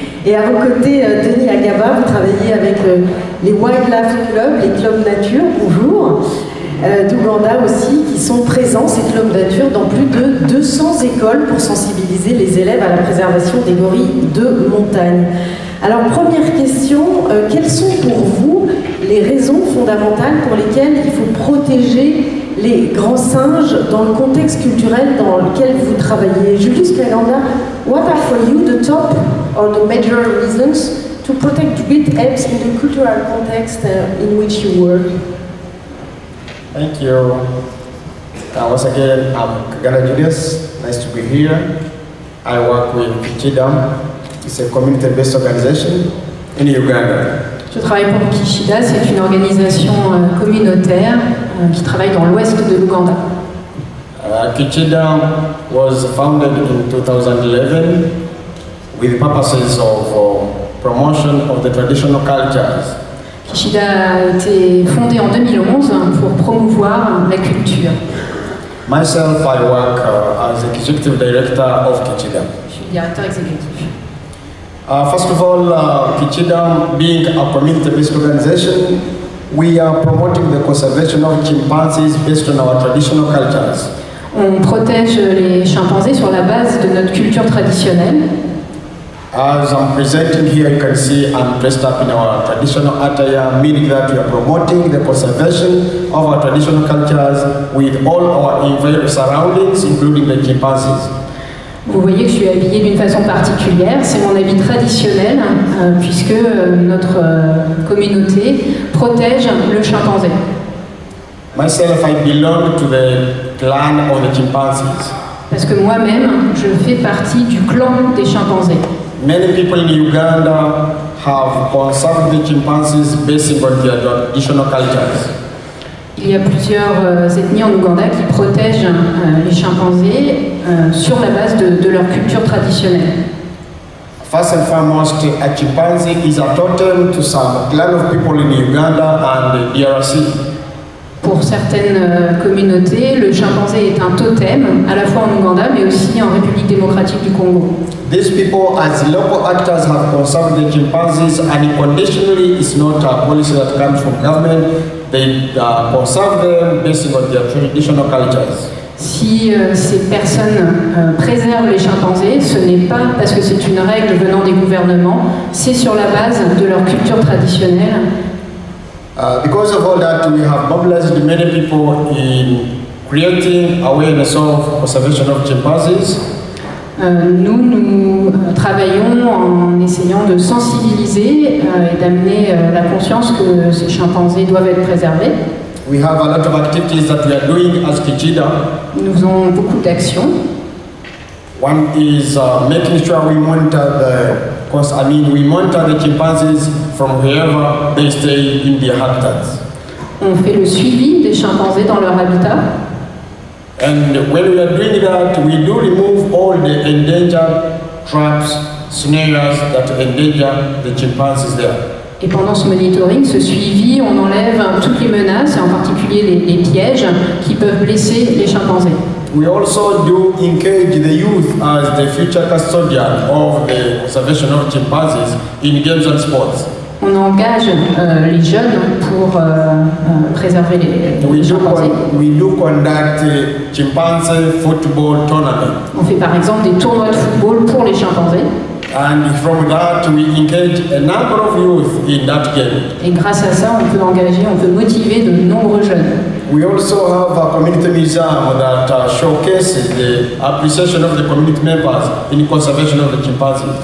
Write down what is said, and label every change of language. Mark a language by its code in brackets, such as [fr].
[fr] Et à vos côtés, Denis Agaba, vous travaillez avec les Wildlife Club, les clubs nature, bonjour, d'Ouganda aussi, qui sont présents, ces clubs nature, dans plus de 200 écoles pour sensibiliser les élèves à la préservation des gorilles de montagne. Alors, première question, quelles sont pour vous les raisons fondamentales pour lesquelles il faut protéger les grands singes dans le contexte culturel dans lequel vous travaillez? [en] Julius Kaganda, what are for you the top or the major reasons to protect great apes in the cultural context in which you work? Thank you. Once again, I'm Kaganda Julius. Nice to be here. I work with Kichidam. It's a community-based organization in Uganda. [fr] Je travaille pour Kishida, c'est une organisation communautaire qui travaille dans l'ouest de l'Ouganda. [en] Kichida was founded in 2011 with purposes of promotion of the traditional cultures. [fr] Kishida a été fondée en 2011 pour promouvoir la culture. [en] Myself, I work as executive director of Kichida. [fr] Je suis directeur exécutif. [en] First of all, Kichida, being a community-based organization, we are promoting the conservation of chimpanzees based on our traditional cultures. [fr] On protège les chimpanzés sur la base de notre culture traditionnelle. [en] As I'm presenting here, you can see I'm dressed up in our traditional attire, meaning that we are promoting the conservation of our traditional cultures with all our environmental surroundings, including the chimpanzees. [fr] Vous voyez que je suis habillée d'une façon particulière, c'est mon habit traditionnel, puisque notre communauté protège le chimpanzé. [en] Myself, I belong to the clan of the chimpanzees. [fr] Parce que moi-même, je fais partie du clan des chimpanzés. [en] Many people in Uganda have conserved the chimpanzees based on their traditional cultures. [fr] Il y a plusieurs ethnies en Ouganda qui protègent les chimpanzés sur la base de leur culture traditionnelle. [en] First and foremost, a chimpanzee is a totem to some clan of people in Uganda and DRC. [fr] Pour certaines communautés, le chimpanzé est un totem, à la fois en Ouganda mais aussi en République démocratique du Congo. [en] These people, as local actors, have conserved the chimpanzees, and unconditionally, it's not a policy that comes from government. They conserve them based on their traditional cultures. [fr] Si ces personnes préservent les chimpanzés, ce n'est pas parce que c'est une règle venant des gouvernements, c'est sur la base de leur culture traditionnelle. [en] Because of all that, we have mobilized many people in creating awareness of conservation of chimpanzees. [fr] Nous travaillons en essayant de sensibiliser et d'amener la conscience que ces chimpanzés doivent être préservés. [en] We have a lot of activities that we are doing as Kijida. [fr] Nous faisons beaucoup d'actions. [en] One is making sure we monitor the, because I mean, we monitor the chimpanzees from wherever they stay in their habitats. [fr] On fait le suivi des chimpanzés dans leur habitat. [en] And when we are doing that, we do remove all the endangered traps, snares that endanger the chimpanzees there. [fr] Et pendant ce monitoring, ce suivi, on enlève toutes les menaces, et en particulier les pièges qui peuvent blesser les chimpanzés. [en] We also do engage the youth as the future custodian of the conservation of chimpanzees in games and sports. [fr] On engage les jeunes pour préserver les chimpanzés. [en] We do conduct chimpanzee football tournament. [fr] On fait par exemple des tournois de football pour les chimpanzés. [en] And from that we engage a number of youth in that game. [fr] Et grâce à ça, on peut engager, on peut motiver de nombreux jeunes. [en] We also have a community museum that showcases the appreciation of the community members in the conservation of the chimpanzees.